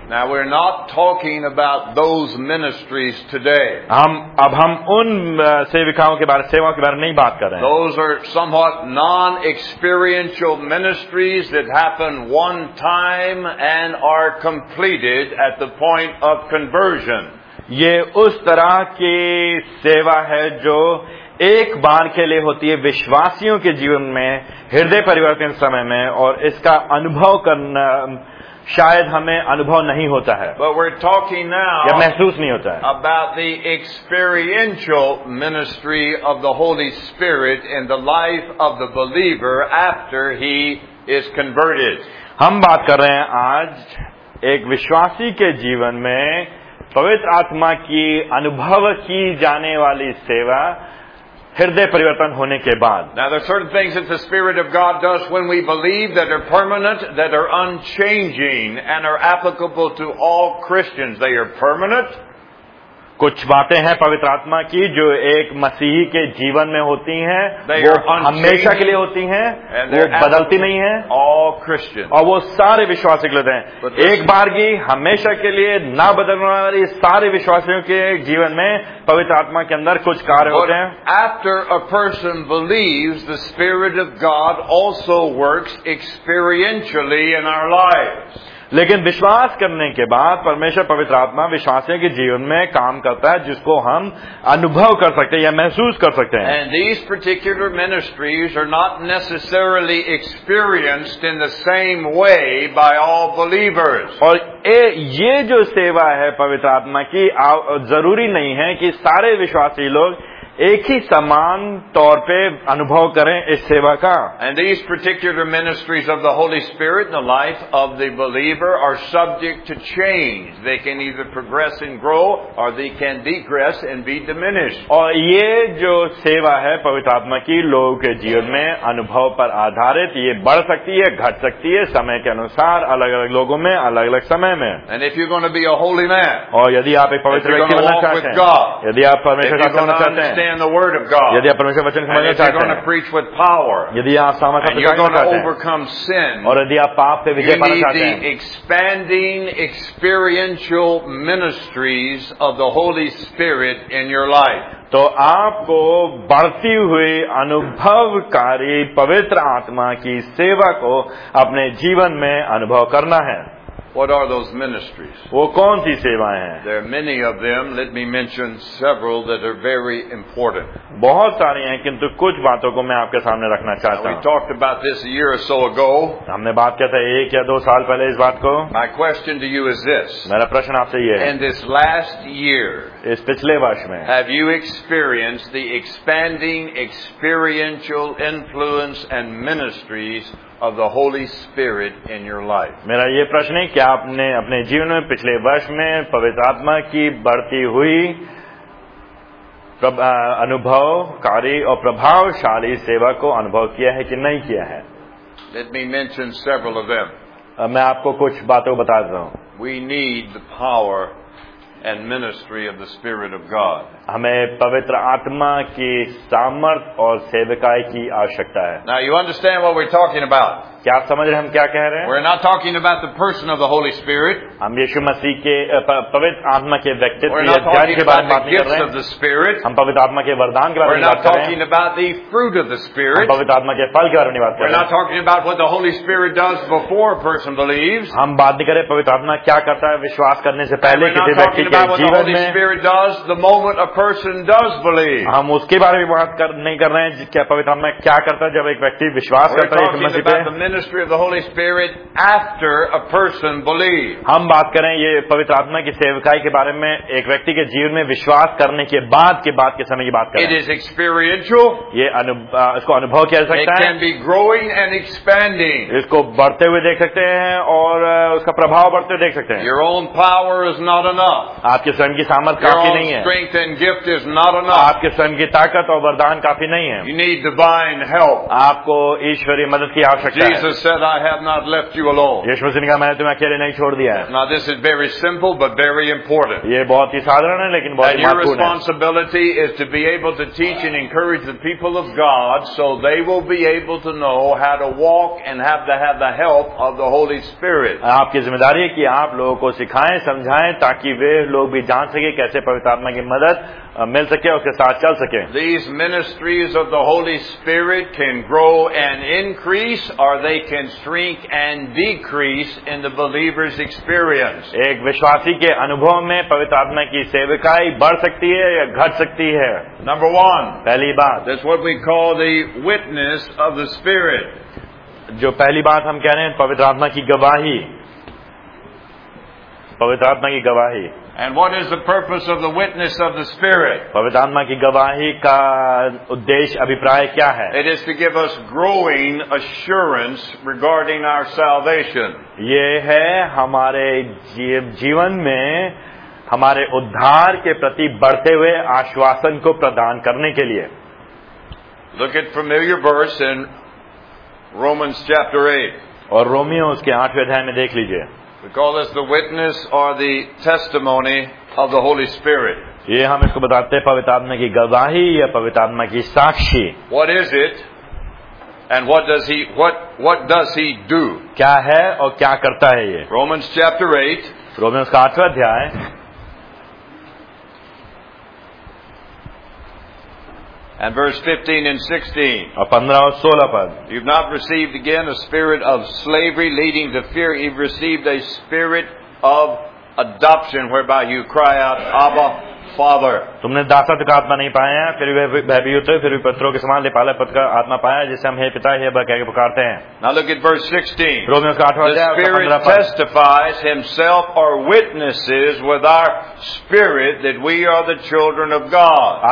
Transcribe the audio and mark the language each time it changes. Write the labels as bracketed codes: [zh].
[en] Now we're not talking about those ministries today. [hi] हम उन सेवाओं के बारे नहीं बात कर रहे हैं. [en] Those are somewhat non-experiential ministries that happen one time and are completed at the point of conversion. [hi] ये उस तरह की सेवा है जो एक बार के लिए होती है विश्वासियों के जीवन में हृदय परिवर्तन समय में और इसका अनुभव करना शायद हमें अनुभव नहीं होता है [en] But we're talking now [hi] या महसूस नहीं होता है. [en] About the experiential ministry of the Holy Spirit in the life of the believer after he is converted. [hi] हम बात कर रहे हैं आज एक विश्वासी के जीवन में पवित्र आत्मा की अनुभव की जाने वाली सेवा हृदय परिवर्तन होने के बाद. [en] Now there are certain things that the Spirit of God does when we believe that are permanent, that are unchanging, and are applicable to all Christians. They are permanent. [hi] कुछ बातें हैं पवित्र आत्मा की जो एक मसीही के जीवन में होती हैं, वो हमेशा के लिए होती हैं, वो बदलती नहीं है और वो सारे विश्वासी के लिए हैं. एक बार की हमेशा के लिए ना बदलने वाली सारे विश्वासियों के जीवन में पवित्र आत्मा के अंदर कुछ कार्य होते हैं. [en] After a person believes, the Spirit of God also works experientially in our lives. [hi] लेकिन विश्वास करने के बाद परमेश्वर पवित्र आत्मा विश्वासियों के जीवन में काम करता है जिसको हम अनुभव कर सकते हैं या महसूस कर सकते हैं. [en] And these particular ministries are not necessarily experienced in the same way by all believers. [hi] और ये जो सेवा है पवित्र आत्मा की जरूरी नहीं है कि सारे विश्वासी लोग एक ही समान तौर पे अनुभव करें इस सेवा का. [en] And these particular ministries of the Holy Spirit in the life of the believer are subject to change. They can either progress and grow or they can degress and be diminished. [hi] और ये जो सेवा है पवित्र आत्मा की लोगों के जीवन में अनुभव पर आधारित, ये बढ़ सकती है, घट सकती है समय के अनुसार, अलग अलग लोगों में, अलग अलग समय में. [en] And if you're going to be a holy man, [hi] और यदि आप एक पवित्र व्यक्ति बनना चाहते हैं, यदि आप परमेश्वर का होना चाहते हैं, [en] understand the word of God. [hi] यदि आप परमेश्वर वचन समझना चाहते हैं, [en] you're going to preach with power. [hi] यदि आप सामर्थ्य प्रदान करना चाहते हैं, [en] you're going to overcome sin. [hi] और यदि आप पाप पे विजय पाना चाहते हैं, [en] you need the expanding experiential ministries of the Holy Spirit in your life. [hi] तो आपको बढ़ती हुई अनुभवकारी पवित्र आत्मा की सेवा को अपने जीवन में अनुभव करना है. [en] What are those ministries? [hi] वो कौन सी सेवाएं हैं? [en] There are many of them. Let me mention several that are very important. [hi] बहुत सारी हैं, किंतु कुछ बातों को मैं आपके सामने रखना चाहता हूं. [en] We talked about this a year or so ago. [hi] हमने बात किया था एक या दो साल पहले इस बात को. [en] My question to you is this. [hi] मेरा प्रश्न आपसे ये है. [en] In this last year, [hi] इस पिछले वर्ष में, [en] have you experienced the expanding experiential influence and ministries of the Holy Spirit in your life? [hi] मेरा ये प्रश्न है कि आपने अपने जीवन में पिछले वर्ष में पवित्र आत्मा की बढ़ती हुई अनुभवकारी और प्रभावशाली सेवा को अनुभव किया है कि नहीं किया है. [en] Let me mention several of them. [hi] मैं आपको कुछ बातों को बता देता हूँ. [en] We need the power and ministry of the Spirit of God. [hi] हमें पवित्र आत्मा की सामर्थ और सेवकाई की आवश्यकता है. [en] Now you understand what we're talking about. [hi] क्या आप समझ रहे हैं हम क्या कह रहे हैं? [en] We're not talking about the person of the Holy Spirit. [hi] हम यीशु मसीह के पवित्र आत्मा के व्यक्तित्व की बात नहीं कर रहे हैं. हम पवित्र आत्मा के वरदान के बारे में बात [en] talking about the fruit of the Spirit. [hi] हम पवित्र आत्मा के फल के बारे में बात कर रहे हैं. [en] We're not talking about what the Holy Spirit does before a person believes. [hi] हम बात नहीं कर रहे पवित्र आत्मा क्या करता है विश्वास करने से पहले किसी व्यक्ति के जीवन में. [en] Spirit does the moment a person does believe. [hi] हम उसके बारे में बात नहीं कर रहे हैं क्या पवित्र आत्मा क्या करता है जब एक व्यक्ति विश्वास करता है यीशु मसीह पे. [en] Ministry of the Holy Spirit after a person believes. [hi] हम बात करें ये पवित्र आत्मा की सेवकाई के बारे में एक व्यक्ति के जीवन में विश्वास करने के बाद के समय की बात करें. [en] It is experiential. [hi] ये इसको अनुभव किया जा सकता है. [en] It can be growing and expanding. [hi] इसको बढ़ते हुए देख सकते हैं और उसका प्रभाव बढ़ते हुए देख सकते हैं. [en] Your own power is not enough. [hi] आपके स्वयं की सामर्थ्य काफी नहीं है. [en] Your own strength and gift is not enough. [hi] आपके स्वयं की ताकत और वरदान काफी नहीं है. [en] You need divine help. [hi] आपको ईश्वरीय मदद की आवश्यकता है. [en] Jesus said, I have not left you alone. [hi] यीशु मसीह ने कहा मैंने तुम्हें अकेले नहीं छोड़ दिया है. [en] Now this is very simple but very important. [hi] ये बहुत ही साधारण है लेकिन बहुत महत्वपूर्ण है. [en] Your responsibility is to be able to teach and encourage the people of God so they will be able to know how to walk and have to have the help of the Holy Spirit. [hi] आपकी जिम्मेदारी है कि आप लोगों को सिखाएं समझाएं ताकि वे लोग भी जान सके कैसे पवित्र आत्मा की मदद मिल सके उसके साथ चल सके. [en] These ministries of the Holy Spirit can grow and increase or they can shrink and decrease in the believer's experience. [hi] एक विश्वासी के अनुभव में पवित्र आत्मा की सेविकाई बढ़ सकती है या घट सकती है. [en] Number one, [hi] पहली बात, [en] that's what we call the witness of the Spirit. [hi] जो पहली बात हम कह रहे हैं पवित्र आत्मा की गवाही, पवित्र आत्मा की गवाही. [en] And what is the purpose of the witness of the Spirit? [hi] पवित्र आत्मा की गवाही का उद्देश्य अभिप्राय क्या है? [en] It is to give us growing assurance regarding our salvation. [hi] ये है हमारे जीवन में हमारे उद्धार के प्रति बढ़ते हुए आश्वासन को प्रदान करने के लिए. [en] Look at familiar verse in Romans chapter 8. [hi] और रोमियो उसके आठवें अध्याय में देख लीजिए. [en] We call this the witness or the testimony of the Holy Spirit. [hi] ये हम इसको बताते हैं पवित्र आत्मा की गवाही या पवित्र आत्मा की साक्षी. [en] What is it and what does he do? [hi] क्या है और क्या करता है ये? [en] Romans chapter 8. [hi] रोमियों का आठवां अध्याय. [en] And verse 15 and 16. [hi] और 15 और 16 पद. [en] You've not received again a spirit of slavery leading to fear. You've received a spirit of adoption whereby you cry out, Abba, Father. [hi] तुमने दासत्व का आत्मा नहीं पाया, फिर भयभीत हुए, फिर भी पत्रों के समान लिपालक पद का आत्मा पाया, जिसे हम हे पिता हे अब्बा कह के पुकारते हैं। [en] Now look at verse 16. [hi] रोमियों का 8वां अध्याय 15वां पद। [en] The Spirit testifies himself or witnesses with our spirit that we are the children of God.